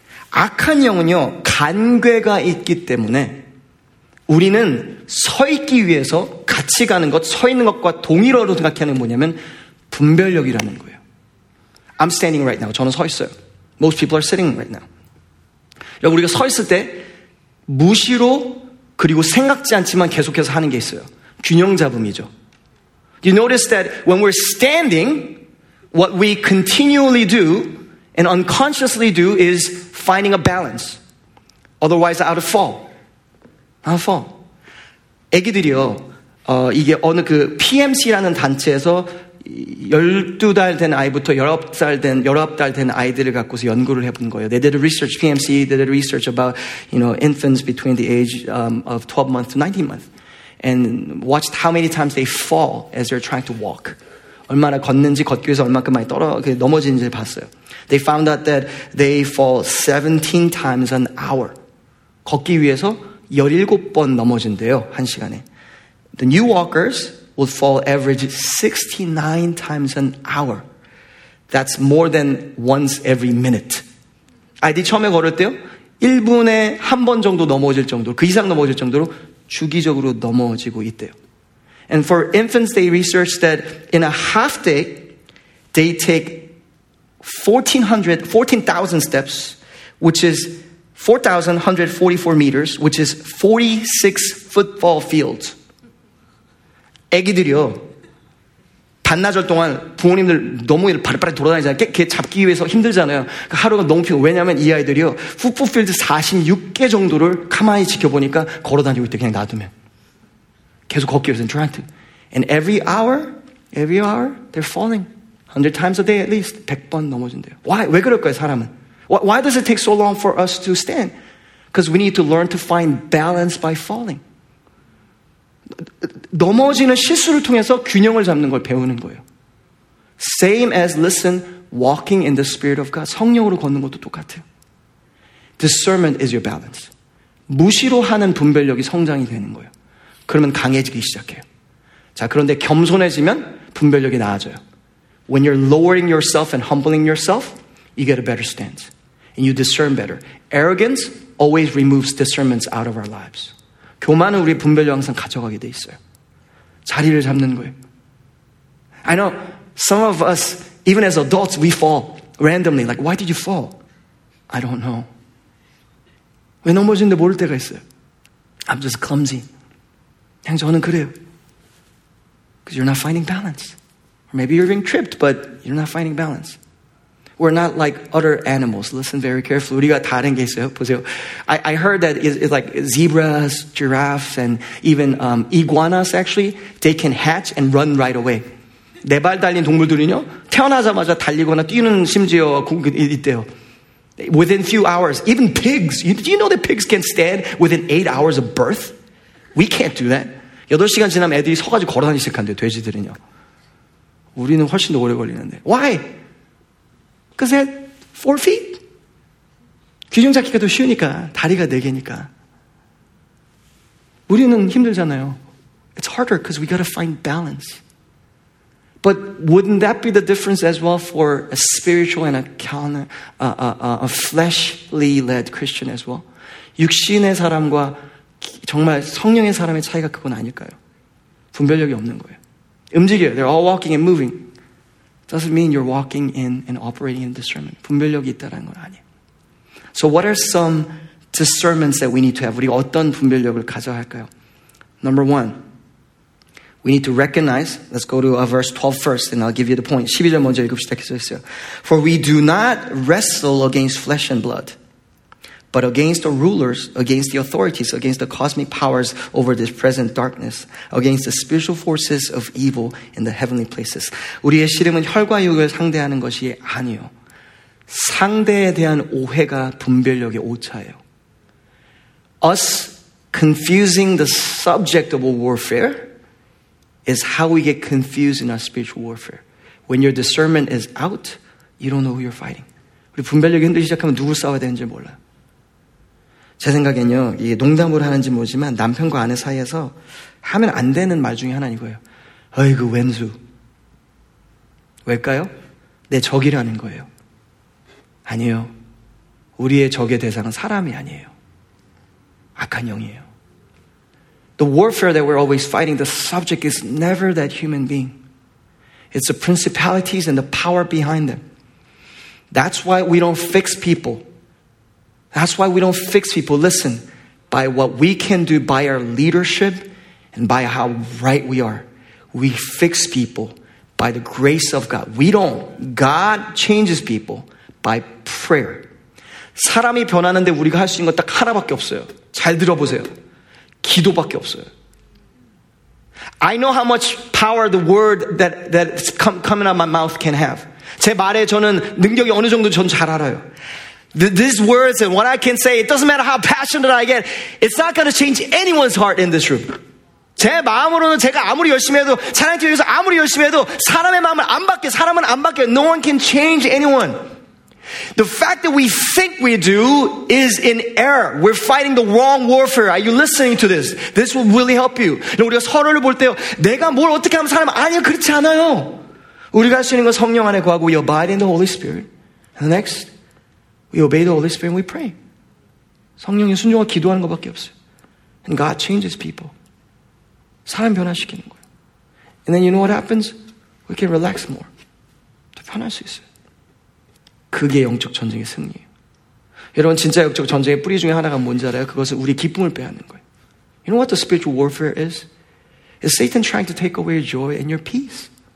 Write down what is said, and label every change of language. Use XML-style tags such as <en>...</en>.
<ko>악한 영은요, 간괴가 있기 때문에 우리는 서 있기 위해서 같이 가는 것, 서 있는 것과 동일어로 생각하는 뭐냐면 분별력이라는 거예요.</ko> <en>I'm standing right now.</en> <ko>저는 서 있어요.</ko> <en>Most people are sitting right now.</en> <ko>여러분, 우리가 서 있을 때 무시로 그리고 생각지 않지만 계속해서 하는 게 있어요. 균형 잡음이죠.</ko> <en>You notice that when we're standing, what we continually do and unconsciously do is finding a balance. Otherwise, out of fall. Out of fall.</en> <ko>애기들이요, 이게 어느 그 PMC라는 단체에서 12달 된 아이부터 19달 된 아이들을 갖고서 연구를 해본 거예요.</ko> <en>They did a research, PMC, they did a research about, you know, infants between the age of 12 months to 19 months. And watched how many times they fall as they're trying to walk.</en> <ko>얼마나 걷는지 걷기 위해서 얼만큼 많이 넘어지는지 봤어요.</ko> <en>They found out that they fall 17 times an hour.</en> <ko>걷기 위해서 17번 넘어진대요, 한 시간에.</ko> <en>The new walkers would fall average 69 times an hour. That's more than once every minute.</en> <ko>아이들 처음에 걸을 때요, 1분에 한 번 정도 넘어질 정도로, 그 이상 넘어질 정도로 주기적으로 넘어지고 있대요.</ko> <en>And for infants, they researched that in a half day, they take 14,000 steps, which is 4,144 meters, which is 46 football fields.</en> <ko>애기들이요, 반나절 동안 부모님들 너무 바르바르 돌아다니잖아요. 걔 잡기 위해서 힘들잖아요. 그러니까 하루가 너무 피곤. 왜냐하면 이 아이들이요, 풋볼필드 46개 정도를 가만히 지켜보니까 걸어다니고 있대. 그냥 놔두면 계속 걷기 위해서</ko> <en>trying to. And every hour they're falling 100 times a day at least.</en> <ko>100번 넘어진대요. Why? 왜 그럴까요, 사람은?</ko> <en>Why does it take so long for us to stand? Because we need to learn to find balance by falling.</en> <ko>넘어지는 실수를 통해서 균형을 잡는 걸 배우는 거예요.</ko> <en>Same as, listen, walking in the Spirit of God.</en> <ko>성령으로 걷는 것도 똑같아요.</ko> <en>Discernment is your balance.</en> <ko>무시로 하는 분별력이 성장이 되는 거예요. 그러면 강해지기 시작해요. 자, 그런데 겸손해지면 분별력이 나아져요.</ko> <en>When you're lowering yourself and humbling yourself, you get a better stance. And you discern better. Arrogance always removes discernment out of our lives.</en> <ko>교만은 우리 분별력 항상 가져가게 돼 있어요. 자리를 잡는 거예요.</ko> <en>I know some of us, even as adults, we fall randomly. Like, why did you fall? I don't know.</en> <ko>왜 넘어지는데 모를 때가 있어요.</ko> <en>I'm just clumsy.</en> <ko>그냥 저는 그래요.</ko> <en>Because you're not finding balance. Or maybe you're being tripped, but you're not finding balance. We're not like other animals. Listen very carefully.</en> <ko>우리가 다른 게 있어요. 보세요.</ko> <en>I heard that it's like zebras, giraffes, and even iguanas actually, they can hatch and run right away.</en> <ko>네 발 달린 동물들은요, 태어나자마자 달리거나 뛰는 심지어 있대요.</ko> <en>Within few hours, even pigs. Do you know that pigs can stand within 8 hours of birth? We can't do that.</en> <ko>8시간 지나면 애들이 서가지고 걸어다니기 시작한대요, 돼지들은요. 우리는 훨씬 더 오래 걸리는데.</ko> <en>Why? Because they had 4 feet.</en> <ko>균형 잡기가 더 쉬우니까. 다리가 네 개니까. 우리는 힘들잖아요.</ko> <en>It's harder because we got to find balance. But wouldn't that be the difference as well for a spiritual and a fleshly led Christian as well?</en> <ko>육신의 사람과 정말 성령의 사람의 차이가 그건 아닐까요? 분별력이 없는 거예요. 움직여요.</ko> <en>They're all walking and moving. Doesn't mean you're walking in and operating in discernment.</en> <ko>분별력이 있다는 건 아니에요.</ko> <en>So what are some discernments that we need to have?</en> <ko>우리 어떤 분별력을 가져야 할까요?</ko> <en>Number one, we need to recognize, let's go to verse 12 first and I'll give you the point.</en> <ko>12절 먼저 읽읍시다.</ko> <en>For we do not wrestle against flesh and blood, but against the rulers, against the authorities, against the cosmic powers over this present darkness, against the spiritual forces of evil in the heavenly places.</en> <ko>우리의 씨름은 혈과 육을 상대하는 것이 아니요. 상대에 대한 오해가 분별력의 오차예요.</ko> <en>Us confusing the subject of a warfare is how we get confused in our spiritual warfare. When your discernment is out, you don't know who you're fighting.</en> <ko>우리 분별력이 흔들리기 시작하면 누구 싸워야 되는지 몰라요. 제 생각엔요, 이게 농담으로 하는지 모르지만 남편과 아내 사이에서 하면 안 되는 말 중에 하나인 거예요. 아이고, 웬수. 왜일까요? 내 적이라는 거예요. 아니에요. 우리의 적의 대상은 사람이 아니에요. 악한 영이에요.</ko> <en>The warfare that we're always fighting, the subject is never that human being. It's the principalities and the power behind them. That's why we don't fix people. That's why we don't fix people. Listen, by what we can do, by our leadership, and by how right we are, we fix people by the grace of God. We don't. God changes people by prayer.</en> <ko>사람이 변하는데 우리가 할 수 있는 건 딱 하나밖에 없어요. 잘 들어보세요. 기도밖에 없어요.</ko> <en>I know how much power the word that's coming out of my mouth can have.</en> <ko>제 말에 저는 능력이 어느 정도 전 잘 알아요.</ko> <en>These words and what I can say, it doesn't matter how passionate I get, it's not going to change anyone's heart in this room.</en> <ko>제 마음으로는 제가 아무리 열심히 해도, 사랑팀 여기서 아무리 열심히 해도 사람의 마음을 안 바뀌어, 사람은 안 바뀌어.</ko> <en>No one can change anyone. The fact that we think we do is in error. We're fighting the wrong warfare. Are you listening to this? This will really help you.</en> <ko>우리가 서로를 볼 때요, 내가 뭘 어떻게 하면 사람 아니야, 그렇지 않아요. 우리가 할 수 있는 건 성령 안에 거하고,</ko> <en>we abide in the Holy Spirit. And the next, we obey the Holy Spirit and we pray.</en> <ko>성령이 순종하고 기도하는 것밖에 없어요.</ko> <en>And God changes people.</en> <ko>사람 변화시키는 거예요.</ko> <en>And then you know what happens? We can relax more.</en> <ko>더 편할 수 있어요. 그게 영적 전쟁의 승리예요. 여러분, 진짜 영적 전쟁의 뿌리 중에 하나가 뭔지 알아요? 그것은 우리 기쁨을 빼앗는 거예요.</ko> <en>You know what the spiritual warfare is? Is Satan trying to take away your joy and your peace?</en>